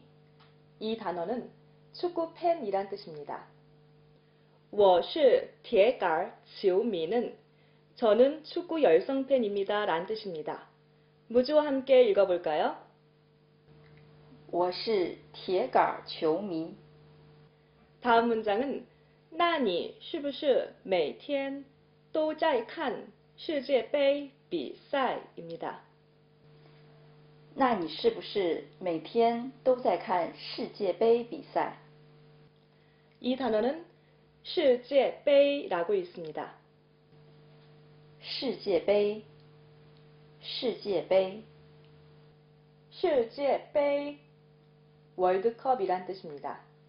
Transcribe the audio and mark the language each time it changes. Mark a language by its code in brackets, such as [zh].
[ko] 지오미 이 단어는 축구 팬이란 뜻입니다. [zh] 我是铁杆球迷 [ko] 는 저는 축구 열성 팬입니다. 란 뜻입니다. 무주와 함께 읽어볼까요? [zh] 我是铁杆球迷。 [ko] 다음 문장은 [zh] 那你是不是每天都在看世界杯比赛? [ko] 입니다. [zh] 那你是不是每天都在看世界杯比赛？ [ko] 이 단어는 世界杯라고 읽습니다. [zh] 世界杯，世界杯。 [ko] 世界杯, 월드컵이란 뜻입니다.